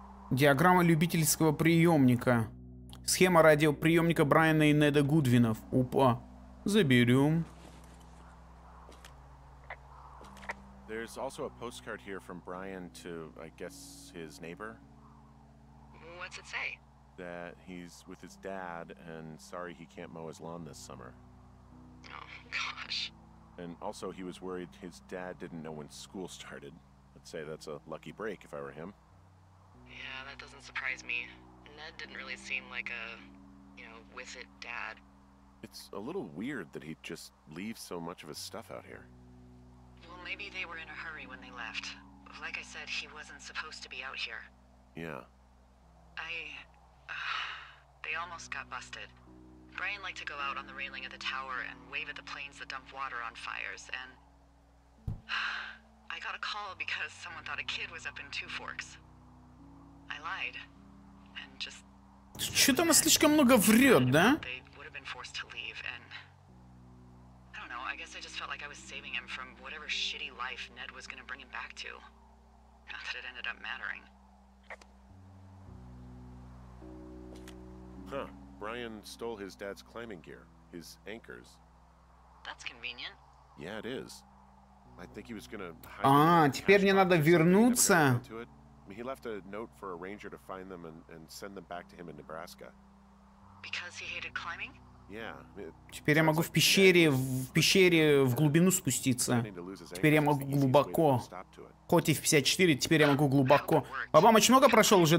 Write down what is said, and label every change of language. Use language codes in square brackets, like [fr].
[ru] Диаграмма любительского приемника. Схема радиоприемника Брайана и Неда Гудвинов. Опа. Заберем. [en] There's also a postcard here from Brian to, I guess, his neighbor. What's it say? That he's with his dad and sorry he can't mow his lawn this summer. Oh, gosh. And also he was worried his dad didn't know when school started. I'd say that's a lucky break if I were him. Yeah, that doesn't surprise me. Ned didn't really seem like a, you know, with it dad. It's a little weird that he'd just leave so much of his stuff out here. Well, maybe they were in a hurry when they left. Like I said, he wasn't supposed to be out here. Yeah. They almost got busted. Brian liked to go out on the railing of the tower and wave at the planes that dump water on fires, and... I got a call because someone thought a kid was up in Two Forks. I lied. And just... [ru] Чё там слишком много врёт, да? [en] They would have been forced to leave, and... I don't know, I guess I just felt like I was saving him from whatever shitty life Ned was gonna bring him back to. Not that it ended up mattering. Huh. Brian stole his dad's climbing gear. His anchors. That's convenient. Yeah, it is. I think he was gonna... [ru] теперь мне надо вернуться. [en] He left a note for a ranger to find them and send them back to him in Nebraska. Because he hated climbing? Yeah. [ru] Теперь я могу в пещере, в глубину спуститься. Теперь я могу глубоко. Хоть и в 54, теперь я могу глубоко. Бабам, очень много прошел уже?